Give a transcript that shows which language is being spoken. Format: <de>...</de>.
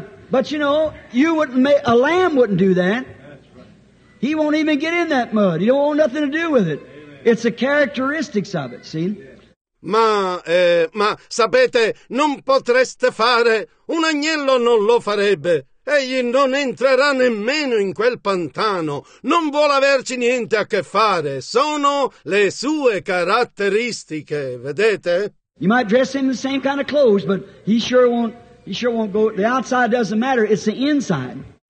<en>But you know, you wouldn't make, a lamb wouldn't do that. That's right. He won't even get in that mud. He don't want nothing to do with it. Amen. It's the characteristics of it, see? Yeah.</en> <it>Ma sapete, non potreste fare, un agnello non lo farebbe. Egli non entrerà nemmeno in quel pantano. Non vuole averci niente a che fare. Sono le sue caratteristiche, vedete?</it> <en>You might dress him in the same kind of clothes, but he sure won't go. The outside doesn't matter, it's the inside.</en>